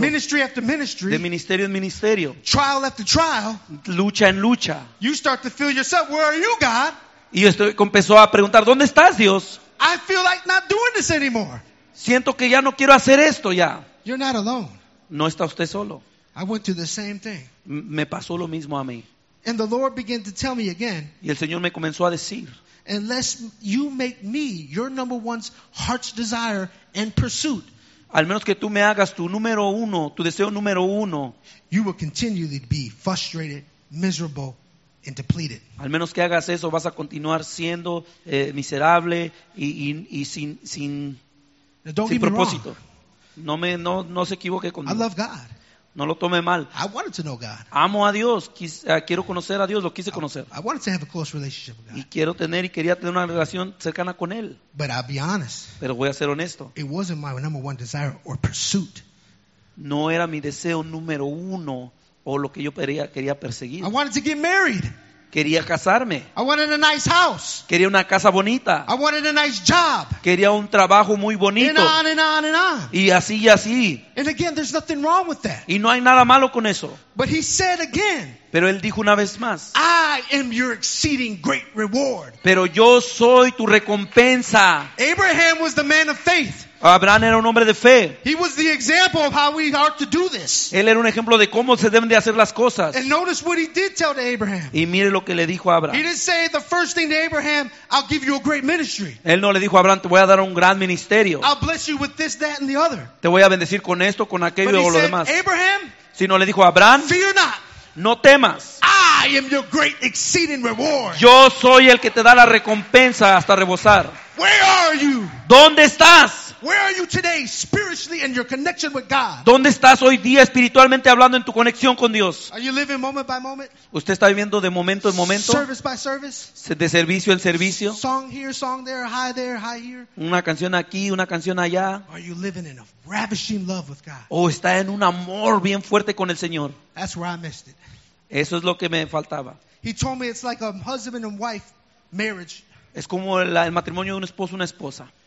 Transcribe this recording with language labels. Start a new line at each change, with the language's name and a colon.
English: Ministry after ministry.
Spanish: De ministerio en ministerio.
English: Trial after trial.
Spanish: Lucha en lucha.
English: You start to feel yourself, where are you, God?
Spanish: Y esto empezó a preguntar, ¿dónde estás, Dios?
English: I feel like not doing this anymore.
Spanish: Siento que ya no quiero hacer esto ya.
English: You're not alone.
Spanish: No está usted solo.
English: I went through the same thing.
Spanish: Me pasó lo mismo a mí.
English: And the Lord began to tell me again.
Spanish: Y el Señor me comenzó a decir,
English: unless you make me your number one heart's desire and pursuit.
Spanish: Al menos que tú me hagas tu número uno, tu deseo número uno.
English: You will continually be frustrated, miserable, and depleted.
Spanish: Al menos que hagas eso, vas a continuar siendo miserable y sin propósito. No se equivoque conmigo.
English: I love God.
Spanish: No lo tome mal.
English: I wanted to know God.
Spanish: Amo a Dios. Quiero conocer a Dios. Lo quise conocer.
English: I wanted to have a close relationship with God.
Spanish: Y quiero tener y quería tener una relación cercana con Él.
English: But I'll be honest.
Spanish: Pero voy a ser honesto.
English: It wasn't my number one desire or pursuit.
Spanish: No era mi deseo número uno o lo que yo quería perseguir.
English: I wanted to get married.
Spanish: Quería casarme.
English: I wanted a nice house.
Spanish: Quería una casa bonita.
English: I wanted a nice job.
Spanish: Quería un trabajo muy bonito.
English: And on and on and on.
Spanish: Y así y así.
English: And again, there's nothing wrong with that.
Spanish: Y no hay nada malo con eso.
English: But he said again.
Spanish: Pero él dijo una vez más.
English: I am your exceeding great reward.
Spanish: Pero yo soy tu recompensa.
English: Abraham was the man of faith.
Spanish: Abraham era un hombre de fe.
English: He was the example of how we are to do this.
Spanish: Él era un ejemplo de cómo se deben de hacer las cosas.
English: And notice what he did tell to Abraham.
Spanish: Y mire lo que le dijo a Abraham.
English: He didn't say the first thing to Abraham, I'll give you a great ministry.
Spanish: Él no le dijo a Abraham, te voy a dar un gran ministerio.
English: I'll bless you with this, that, and the other.
Spanish: Te voy a bendecir con esto, con aquello o lo demás.
English: Abraham,
Spanish: sino le dijo a Abraham,
English: fear not.
Spanish: No temas.
English: I am your great exceeding reward.
Spanish: Yo soy el que te da la recompensa hasta rebosar.
English: Where are you?
Spanish: ¿Dónde estás?
English: Where are you today spiritually in your connection with God?
Spanish: ¿Dónde estás hoy día espiritualmente hablando en tu conexión con Dios?
English: Are you living moment by moment?
Spanish: ¿Usted está viviendo de momento en momento?
English: Service by service?
Spanish: ¿De servicio en servicio?
English: Song here, song there, high here.
Spanish: ¿Una canción aquí, una canción allá?
English: Are you living in a ravishing love with God?
Spanish: ¿O está en un amor bien fuerte con el Señor?
English: That's where I missed it.
Spanish: Eso es lo que me faltaba.
English: He told me it's like a husband and wife marriage.
Spanish: Es como el matrimonio de un esposo y una esposa.